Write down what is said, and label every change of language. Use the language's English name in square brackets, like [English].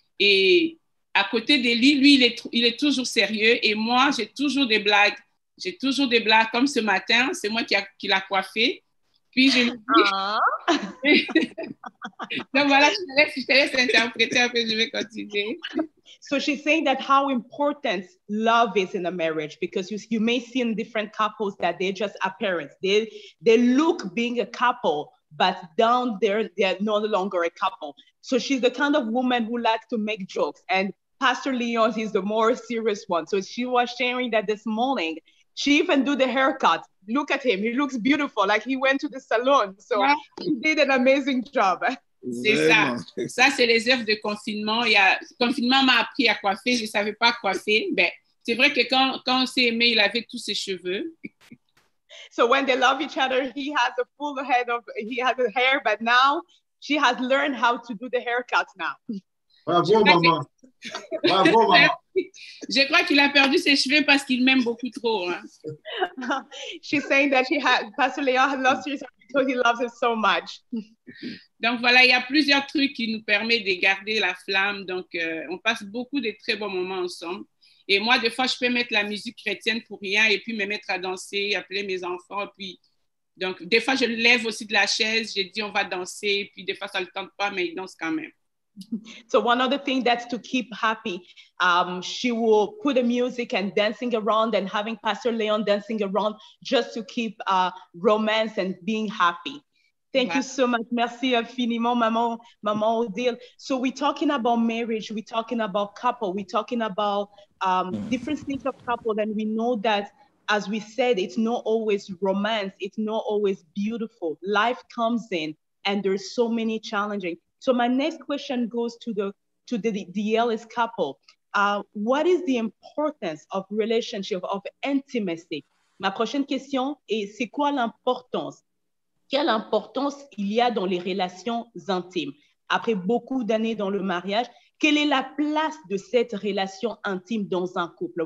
[French] Et à côté d'Élie, lui, il est toujours sérieux. Et moi, j'ai toujours des blagues. J'ai toujours des blagues, comme ce matin, c'est moi qui l'a coiffé. Puis je lui dis... Donc voilà, je te laisse interpréter, après je vais continuer. [English] So she's saying that how important love is in a marriage, because you may see in different couples that they're just appearance. They look being a couple, but down there, they're no longer a couple. So she's the kind of woman who likes to make jokes. And Pastor Leon is the more serious one. So she was sharing that this morning, she even did the haircut. Look at him. He looks beautiful. Like he went to the salon. So he did an amazing job. [French] C'est ça. Ça, c'est les heures de confinement. Le confinement m'a appris à coiffer. Je ne savais pas coiffer. Mais c'est vrai que quand on s'est aimé, il avait tous ses cheveux. [English] So when they love each other, he has a hair, but now she has learned how to do the haircut now. [French] Bravo, maman. Bravo, maman. Je crois qu'il a perdu ses cheveux parce qu'il m'aime beaucoup trop. Hein. [English] She's saying that Pastor Leon has lost his hair because he loves it so much. [French] Donc voilà, il y a plusieurs trucs qui nous permettent de garder la flamme. Donc, on passe beaucoup de très bons moments ensemble. Et moi, des fois, je peux mettre la musique chrétienne pour rien et puis me mettre à danser, appeler mes enfants. Puis, donc, des fois, je lève aussi de la chaise. Je dis, on va danser. Puis, des fois, ça ne le tente pas, mais ils dansent quand même. [English] So one other thing that's to keep happy, she will put the music and dancing around and having Pastor Leon dancing around just to keep romance and being happy. Thank you so much. [French] Merci infiniment, Maman Odile. [English] So we're talking about marriage, we're talking about couple, we're talking about different things of couple, and we know that, as we said, it's not always romance, it's not always beautiful. Life comes in and there's so many challenging. So my next question goes to the Ellis couple. What is the importance of relationship, of intimacy? [French] Ma prochaine question est, c'est quoi l'importance? Quelle importance il y a dans les relations intimes? Après beaucoup d'années dans le mariage, quelle est la place de cette relation intime dans un couple?